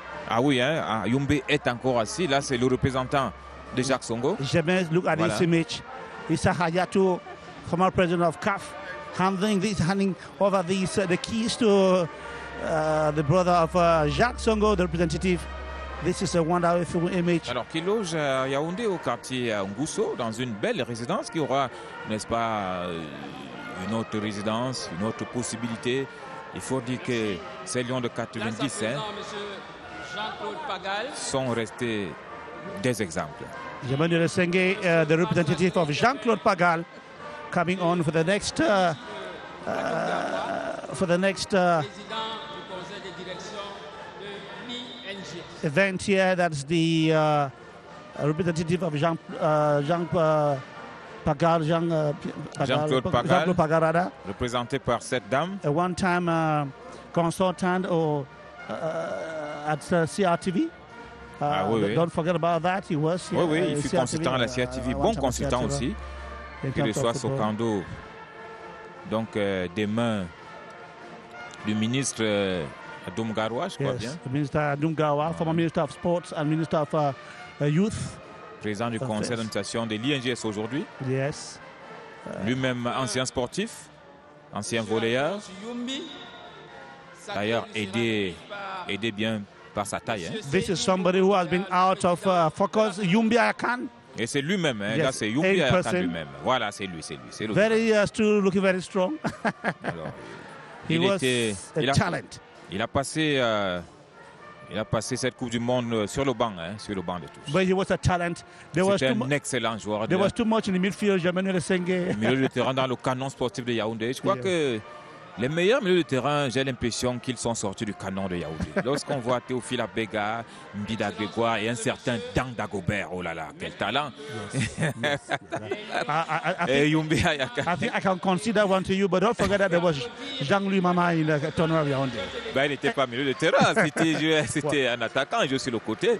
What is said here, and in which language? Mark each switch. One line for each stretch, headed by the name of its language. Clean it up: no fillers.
French: Ah oui, hein, Ayoumbe est encore assis. Là, c'est le représentant de Jacques Songo.
English: James, look at this image. Issa Hayatou, former president of CAF, handing over the keys to the brother of Jacques Songo, the representative. This is a wonderful image.
French: Alors, qui loge Yaoundé au quartier Ngousso, dans une belle résidence qui aura, n'est-ce pas, une autre résidence, une autre possibilité. Il faut dire que ces Lions de 90 hein, sont restés des exemples.
English: Jemani Lesenge, the representative of Jean-Claude Pagal, coming on for the next event here. That's the representative of Jean-Claude Pagal, represented by
French: cette dame.
English: A one-time consultant at CRTV. Don't forget about that. He was.
French: Il fut consultant à la CRTV, bon consultant aussi. Que le soit Sokando, donc des mains du ministre Adum Garoua, je crois bien.
English: The minister Adum Garoua, former minister of sports and minister of youth.
French: Président du conseil d'administration de l'INGS aujourd'hui.
English: Yes.
French: Lui-même ancien sportif, ancien volleyeur. D'ailleurs, aidé bien par sa taille.
English: This is somebody who has been out of focus. Yumbi Akan.
French: Et c'est lui-même, hein, yes, là, c'est Yumbi Akan lui-même. Voilà, c'est lui.
English: Very still looking very strong.
French: Alors,
English: he was a talent.
French: Il a passé cette Coupe du Monde sur le banc de tous.
English: But he was a talent.
French: C'était un excellent joueur.
English: There was too much in the midfield. Jemani Lesenge.
French: Milieu de terrain dans le canon sportif de Yaoundé. Je crois que les meilleurs milieux de terrain, j'ai l'impression qu'ils sont sortis du canon de Yaoundé. Lorsqu'on voit Théophile Abega, Mbida Grégoire et un certain Dan Dagobert, oh là là, quel talent! Et Yumbi Ayaka.
English: I think I can consider one to you, but don't forget that there was Jean-Louis Mama in the tournoi of Yaoundé.
French: Ben, il n'était pas milieu de terrain, c'était un attaquant, je suis le côté.